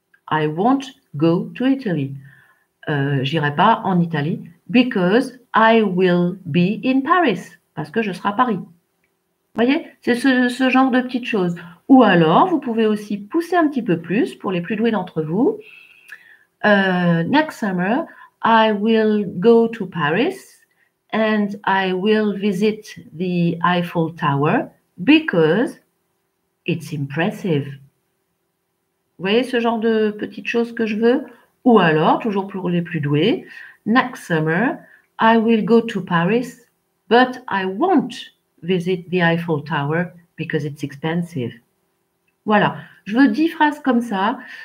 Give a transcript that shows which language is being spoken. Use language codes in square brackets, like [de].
[en] I won't go to Italy. [fr] J'irai pas en Italie [en] because I will be in Paris. [fr] Parce que je serai à Paris. Vous voyez, c'est ce genre de petites choses. Ou alors, vous pouvez aussi pousser un petit peu plus pour les plus doués d'entre vous. [en] Next summer, I will go to Paris and I will visit the Eiffel Tower because it's impressive. [fr] Vous voyez ce genre de petites choses que je veux? Ou alors, toujours pour les plus doués, [en] next summer, I will go to Paris, but I won't visit the Eiffel Tower because it's expensive. [fr] Voilà, je veux 10 phrases comme ça.